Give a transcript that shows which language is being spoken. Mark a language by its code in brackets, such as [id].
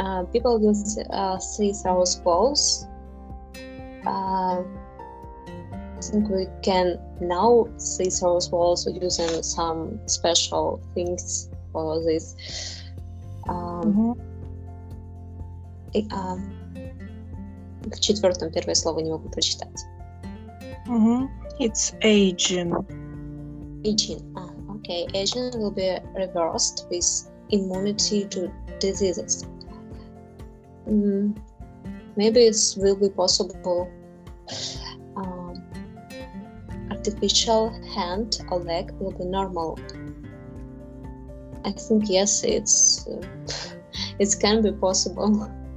[en] People will see through walls. I think we can now see through walls using some special things for this. [ru] В четвертом первое слово не могу прочитать. [en] It's aging. Aging. Okay. Aging will be reversed with immunity to diseases. Maybe it will be possible. Artificial hand or leg will be normal. I think yes, it can be possible.